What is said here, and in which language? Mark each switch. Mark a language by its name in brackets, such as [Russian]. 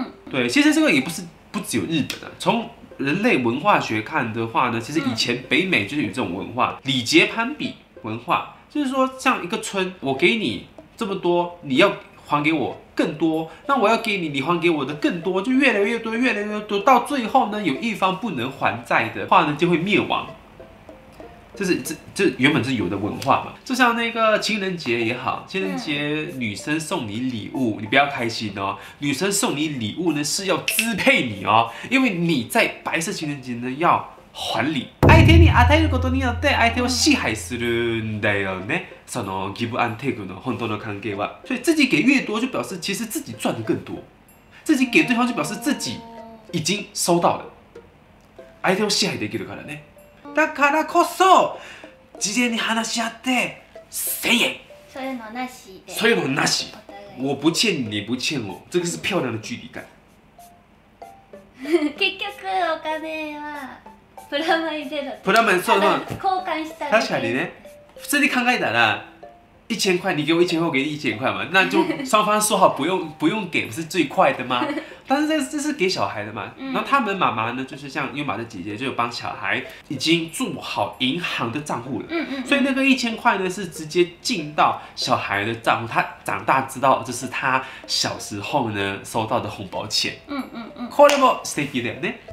[Chinese] 对，其实这个也不只有日本的，从人类文化学看的话呢，其实以前北美就是有这种文化，礼节攀比文化，就是说像一个村，我给你这么多，你要还给我更多，那我要给你，你还给我的更多，就越来越多，越来越多，到最后呢，有一方不能还债的话呢，就会灭亡。这原本是有的文化嘛，就像那个情人节也好，情人节女生送你礼物，你不要开心哦，女生送你礼物呢是要支配你哦，因为你在白色情人节呢要还礼。 [Japanese] 相手に与えることによって相手を支配するんだよね。そのギブアンテイクの本当の関係は。所以自己给越多，就表示其实自己赚的更多。 [Chinese] 自己给对方就表示自己已经收到了。 [Japanese] 相手を支配できるからね。だからこそ事前に話し合って1000円。そういうのなしで。そういうのなし。 [Chinese] 我不欠你，不欠我，这个是漂亮的距离感。 [Japanese] 結局お金はプラマイゼロ。プラマイゼロ。交換したら。確かにね。 [Chinese] 普通に考えたら一千块，你给我一千块，我给你一千块嘛，那就双方说好不用不用给，不是最快的吗？但是这是给小孩的嘛，然后他们妈妈呢，就是像优玛的姐姐，就有帮小孩已经住好银行的账户了，所以那个一千块呢是直接进到小孩的账户，他长大知道这是他小时候呢收到的红包钱，これも素敵だよね。